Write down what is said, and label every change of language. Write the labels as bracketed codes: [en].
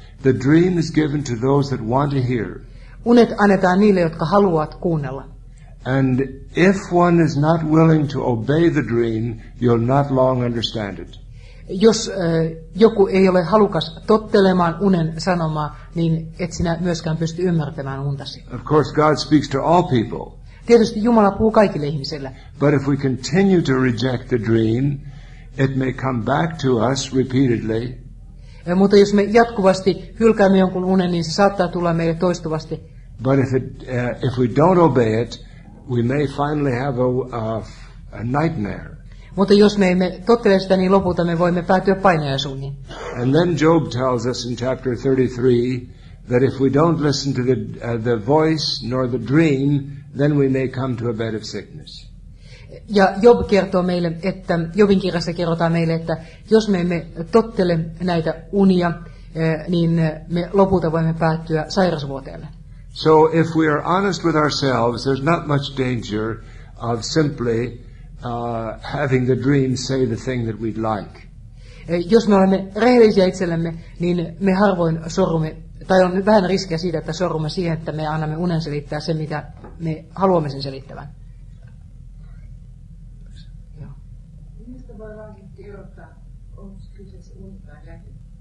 [en] The dream is given to those that want to hear. [fi] Unet annetaan niille, jotka haluavat kuunnella. [en] And if one is not willing to obey the dream, you'll not long understand it. [fi] Jos joku ei ole halukas tottelemaan unen sanomaa, niin et sinä myöskään pysty ymmärtämään untasi. [en] Of course, God speaks to all people. [fi] Tietysti Jumala puhuu kaikille ihmisille. [en] But if we continue to reject the dream, it may come back to us repeatedly. [fi] Mutta jos me jatkuvasti hylkäämme jonkun unen, niin se saattaa tulla meille toistuvasti. [en] But if we don't obey it, we may finally have a nightmare. [fi] Mutta jos me emme tottele sitä, niin lopulta me voimme päätyä painajaisuuniin. [en] And then Job tells us in chapter 33 that if we don't listen to the voice nor the dream, then we may come to a bed of sickness. [fi] Ja Job kertoo meille, että Jobin kirjassa kerrotaan meille, että jos me emme tottele näitä unia, niin me lopulta voimme päättyä sairasvuoteelle. [en] So if we are honest with ourselves, there's not much danger of simply having the dream say the thing that we'd like. [fi] Jos me olemme rehellisiä itsellemme, niin me harvoin sorrumme, tai on vähän riskiä siitä, että sorrumme siihen, että me annamme unen selittää se, mitä me haluamme sen selittävän. Mistä voi lankitti erottaa, onko kyseessä unta vai näky?